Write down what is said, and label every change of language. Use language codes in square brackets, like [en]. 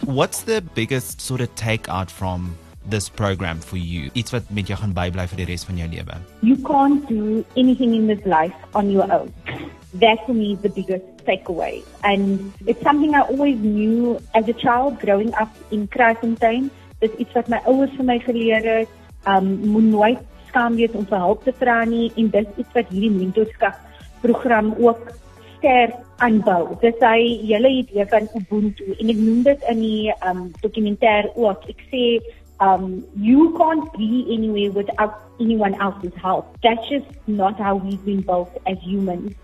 [en] What's the biggest sort of take out from this program for you? It's what [af] met jou gaan bybly vir die res van jou lewe. [en] You can't do anything in this life on your own. That for me is the biggest takeaway. And it's something I always knew as a child growing up in Krasentuin. [af] Dis iets wat my ouers vir my geleer het. Moet nooit skaam wees om hulp te vra nie. En dis iets wat hierdie mentorskap program ook sterk aanbou. Dis hy hele idee van Ubuntu. En ek noem dit in die dokumentêr ook. Ek sê [en] you can't be anywhere without anyone else's help. That's just not how we've been built as humans.